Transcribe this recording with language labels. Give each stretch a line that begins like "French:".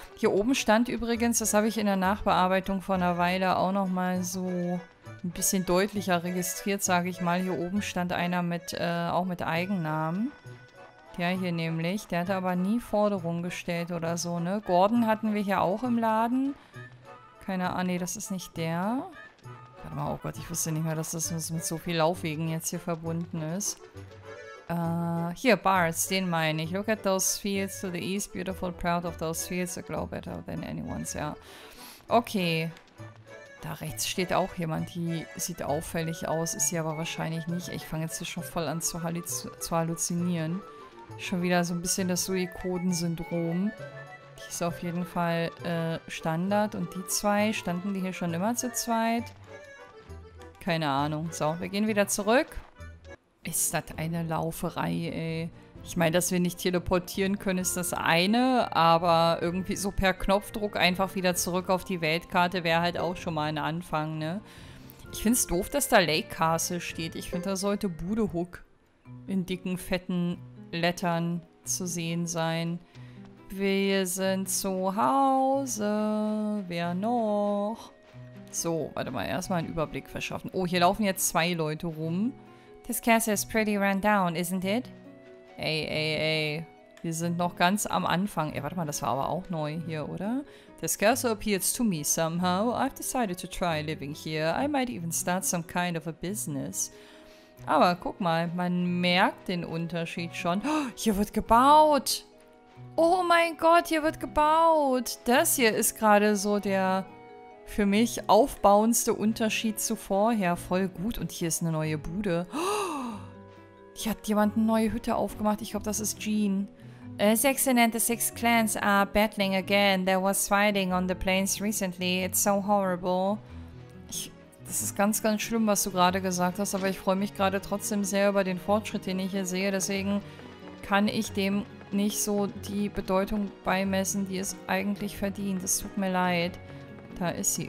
German: Hier oben stand übrigens, das habe ich in der Nachbearbeitung von einer Weile auch nochmal so ein bisschen deutlicher registriert, sage ich mal. Hier oben stand einer mit, auch mit Eigennamen. der hier nämlich. Der hat aber nie Forderungen gestellt oder so, ne? Gordon hatten wir hier auch im Laden. Keine Ahnung, nee, das ist nicht der. Warte mal, oh Gott, ich wusste nicht mehr, dass das mit so viel Laufwegen jetzt hier verbunden ist. Hier, Bars, den meine ich.
English: Look at those fields to the east, beautiful, proud of those fields, I glow better than anyone's, ja.
German: Okay. Da rechts steht auch jemand, die sieht auffällig aus, ist sie aber wahrscheinlich nicht. Ich fange jetzt hier schon voll an zu halluzinieren. Schon wieder so ein bisschen das Suikoden-Syndrom. Die ist auf jeden Fall Standard. Und die zwei, standen die hier schon immer zu zweit? Keine Ahnung. So, wir gehen wieder zurück. Ist das eine Lauferei, ey. Ich meine, dass wir nicht teleportieren können, ist das eine, aber irgendwie so per Knopfdruck einfach wieder zurück auf die Weltkarte wäre halt auch schon mal ein Anfang, ne? Ich finde es doof, dass da Lake Castle steht. Ich finde, da sollte Budehook in dicken, fetten Lettern zu sehen sein. Wir sind zu Hause. Wer noch? So, warte mal, erstmal einen Überblick verschaffen. Oh, hier laufen jetzt zwei Leute rum.
English: This castle is pretty run down, isn't it?
German: Ey, ey, ey. Wir sind noch ganz am Anfang. Ey, warte mal, das war aber auch neu hier, oder?
English: This castle appeals to me somehow. I've decided to try living here. I might even start some kind of a business.
German: Aber guck mal, man merkt den Unterschied schon. Oh, hier wird gebaut! Oh mein Gott, hier wird gebaut! Das hier ist gerade so der für mich aufbauendste Unterschied zu vorher. Voll gut. Und hier ist eine neue Bude. Oh! Hier hat jemand eine neue Hütte aufgemacht. Ich glaube, das ist Jean.
English: Saxon and the Six Clans are battling again. There was fighting on the plains recently. It's so horrible.
German: Das ist ganz, ganz schlimm, was du gerade gesagt hast. Aber ich freue mich gerade trotzdem sehr über den Fortschritt, den ich hier sehe. Deswegen kann ich dem nicht so die Bedeutung beimessen, die es eigentlich verdient. Es tut mir leid. Da ist sie.